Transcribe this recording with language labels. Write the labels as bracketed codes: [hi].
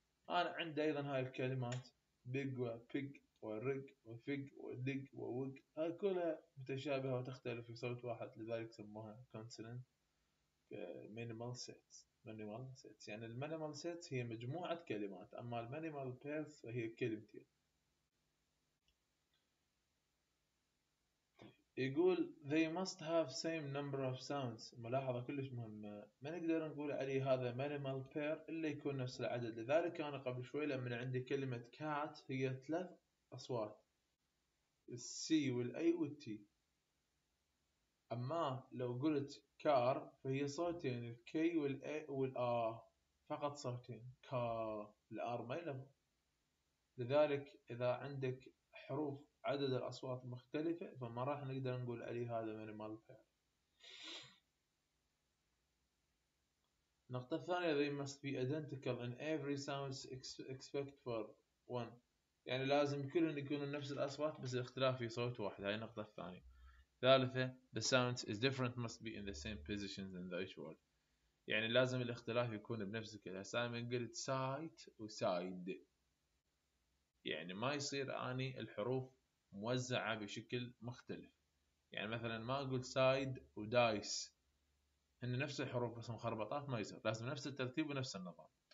[ar] أنا عندي أيضا هاي الكلمات big و pig و rig و fig و dig و wig، هاي كلها متشابهة وتختلف في صوت واحد، لذلك سموها consonant minimal sets. minimal sets يعني minimal sets هي مجموعة كلمات، أما minimal pairs هي كلمتين. يقول [en] they must have same number of sounds. [ar] ملاحظة كلش مهمة، ما نقدر نقول علي هذا minimal pair إلا يكون نفس العدد. لذلك أنا قبل شوي لما عندي كلمة cat هي ثلاث أصوات، C والA والT، أما لو قلت car فهي صوتين ال K والA والA، فقط صوتين car الR ما يلف. لذلك إذا عندك حروف عدد الأصوات مختلفة فما راح نقدر نقول علي هذا minimal pair. نقطة ثانية، [en] they must be identical in every sounds except for one، [ar] يعني لازم كلهم يكونوا نفس الأصوات بس الاختلاف في صوت واحد، هاي النقطة الثانية. ثالثة، [en] the sounds is different must be in the same positions in each word، [ar] يعني لازم الاختلاف يكون بنفس كده. سايمون قلت سايت وسايد، يعني ما يصير أني الحروف موزعة بشكل مختلف، يعني مثلا ما أقول سايد ودايس هن نفس الحروف بس مخربطات، ما يصير، لازم نفس الترتيب ونفس النظام.